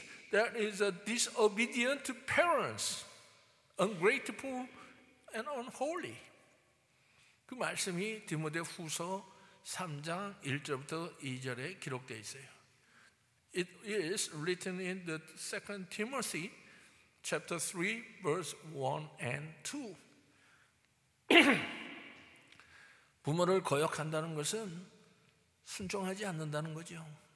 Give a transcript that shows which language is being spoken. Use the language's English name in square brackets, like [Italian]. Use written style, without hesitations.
[English] That is a disobedient parents, ungrateful and unholy. [Korean] 그 말씀이 디모데후서 3장 1절부터 2절에 기록되어 있어요. [English] It is written in the 2 Timothy chapter 3 verse 1 and 2. [Korean] 부모를 거역한다는 것은 순종하지 않는다는 거죠.